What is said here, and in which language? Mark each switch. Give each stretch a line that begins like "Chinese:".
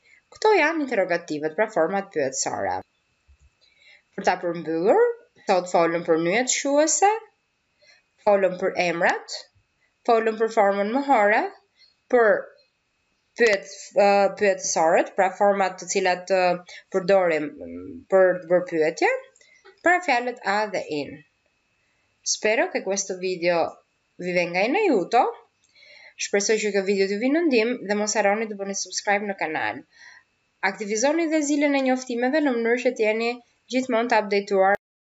Albanian: Këto janë interrogativet pra format pyetësore. Për ta përmbyllur, sot folëm për nyjet shuese, folëm për emrat, folëm për formën mohore, për pyetësoret, pra format të cilat përdorim për të bërë pyetje, pra fjalët a dhe in.
Italian: Spero che questo video vi venga in aiuto.
Albanian: Shpresoj që kjo video t'ju vinë ndihmë dhe mos harroni të bëni subscribe në kanal. Aktivizoni dhe zilin e njoftimeve në mënyrë që t'jeni gjithmonë të updateuar.